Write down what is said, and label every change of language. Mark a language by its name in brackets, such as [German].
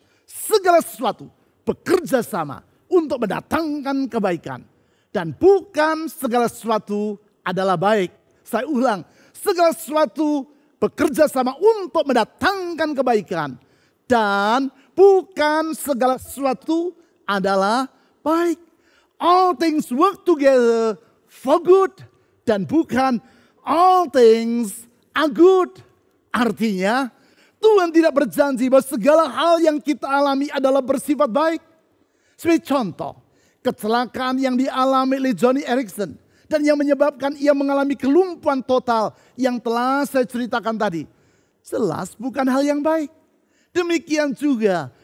[Indonesian] Segala sesuatu bekerja sama untuk mendatangkan kebaikan. Dan bukan segala sesuatu adalah baik. Saya ulang, segala sesuatu bekerja sama untuk mendatangkan kebaikan. Dan bukan segala sesuatu adalah baik. [English] All things work together for good. [Indonesian] Dan bukan [English] all things are good. [Indonesian] Artinya Tuhan tidak berjanji bahwa segala hal yang kita alami adalah bersifat baik. Sebagai contoh, kecelakaan yang dialami oleh Johnny Erickson. Dan yang menyebabkan ia mengalami kelumpuhan total yang telah saya ceritakan tadi. Jelas bukan hal yang baik. Demikian juga